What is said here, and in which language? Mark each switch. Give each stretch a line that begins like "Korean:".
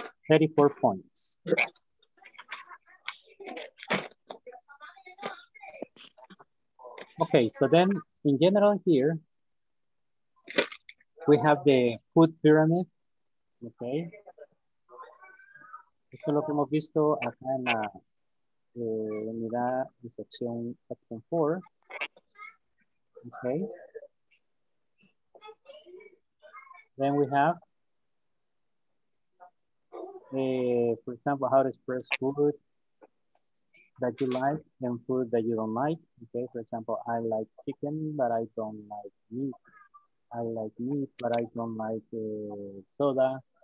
English: 34 points. Okay, so then in general here, we have the food pyramid, okay?
Spanish: Esto es lo que hemos visto acá en la unidad de sección 4, okay?
English: Then we have, for example, how to express food that you like and food that you don't like. Okay, for example, I like chicken, but I don't like meat. I like meat, but I don't like soda.